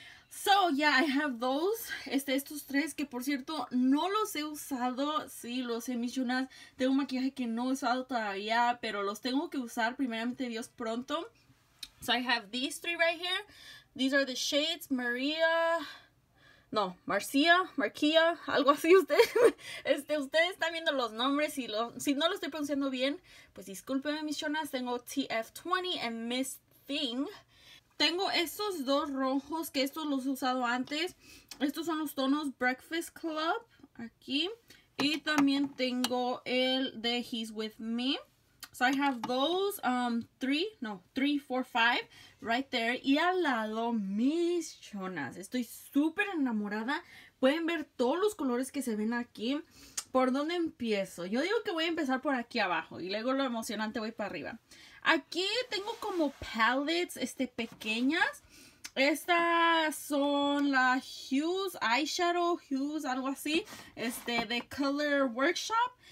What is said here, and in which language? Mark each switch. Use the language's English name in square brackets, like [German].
[English] So, yeah, I have those, [Spanish] estos tres, que por cierto, no los he usado, sí, los he mencionado, tengo un maquillaje que no he usado todavía, pero los tengo que usar, primeramente Dios, pronto. [English] So, I have these three right here, these are the shades, Maria, [Spanish] No, Marcia, Marquía, algo así. Ustedes están viendo los nombres y si no lo estoy pronunciando bien, pues discúlpenme, mis chonas. Tengo TF20 y Miss Thing. Tengo estos dos rojos, que estos los he usado antes. Estos son los tonos Breakfast Club, aquí. Y también tengo el de He's With Me. [English] So I have those, three, four, five, right there. [Spanish] Y al lado, mis chonas. Estoy súper enamorada. Pueden ver todos los colores que se ven aquí. ¿Por dónde empiezo? Yo digo que voy a empezar por aquí abajo y luego lo emocionante voy para arriba. Aquí tengo como palettes pequeñas. Estas son las Hues, Eyeshadow Hues, algo así, de Color Workshop.